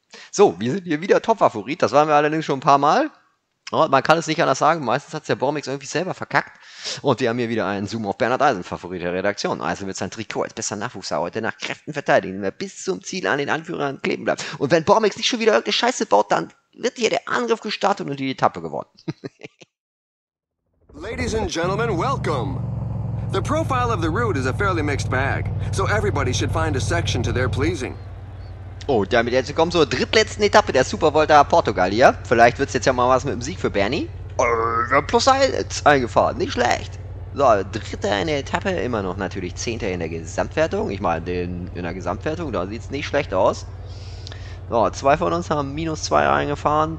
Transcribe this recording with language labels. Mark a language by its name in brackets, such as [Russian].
[German] So, wir sind hier wieder Top-Favorit, das waren wir allerdings schon ein paar Mal. Oh, man kann es nicht anders sagen, meistens hat es der Bormix irgendwie selber verkackt. Und wir haben hier wieder einen Zoom auf Bernhard Eisen, Favorit der Redaktion. Eisen mit seinem Trikot als bester Nachwuchser heute nach Kräften verteidigen, wenn er bis zum Ziel an den Anführern kleben bleibt. Und wenn Bormix nicht schon wieder irgendeine Scheiße baut, dann wird hier der Angriff gestartet und die Etappe gewonnen. [English] Ladies and gentlemen, welcome. The profile of the route is a fairly mixed bag, so everybody should find a section to their pleasing. [German] Oh, damit jetzt kommt zur drittletzten Etappe der Super Volta Portugal hier. Vielleicht wird es jetzt ja mal was mit dem Sieg für Bernie. Plus 1 eingefahren, nicht schlecht. So, dritter in der Etappe, immer noch natürlich zehnter in der Gesamtwertung. Ich meine, in der Gesamtwertung, da sieht es nicht schlecht aus. So, zwei von uns haben minus 2 eingefahren.